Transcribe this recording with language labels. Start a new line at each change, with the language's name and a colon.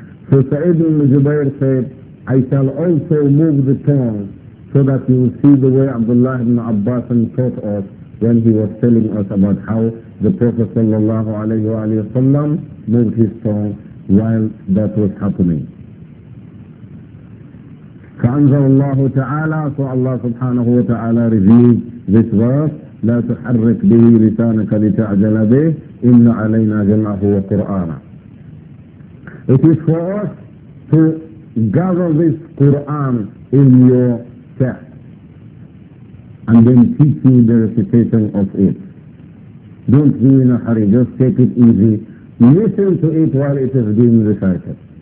English: So Sa'id ibn Jubayr said, I shall also move the tongue so that you will see the way Abdullah ibn Abbas taught us when he was telling us about how the Prophet sallallahu alayhi wa sallam moved his tongue while that was happening.
Arabic: فَأَنْزَلَ اللَّهُ تَعَالَى.
English: So Allah subhanahu wa ta'ala revealed this verse,
Arabic: لَا تُحَرِّكْ بِهِ لِسَانَكَ لِتَعْجَلَ بِهِ إِنَّ عَلَيْنَا جَمْعَهُ وَقُرْآنًا.
English: It is for us to gather this Qur'an in your chest and then teach you the recitation of it. Don't be in a hurry, just take it easy. Listen to it while it is being recited.